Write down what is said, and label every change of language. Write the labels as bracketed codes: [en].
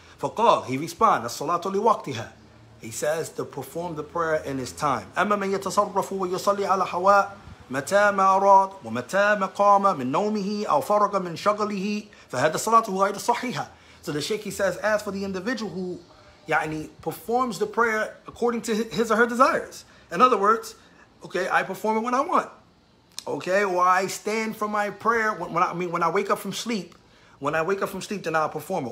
[ar] فَقَالَ, [en] he responded, [ar] الصَّلَاةُ لِوَقْتِهَا. [en] He says to perform the prayer in his time. [ar] أَمَّا مَنْ يَتَصَرَّفُ وَيُصَلِّي عَلَى هَوَاءٍ متى ما أراد ومتى ما قام من نومه أو فرغ من شغله فهذا الصلاة هو غير صحيحة. [en] So the Sheikh, he says, as for the individual who يعني performs the prayer according to his or her desires. In other words, okay, I perform it when I want. Okay, or I stand for my prayer when I wake up from sleep, then I'll perform it.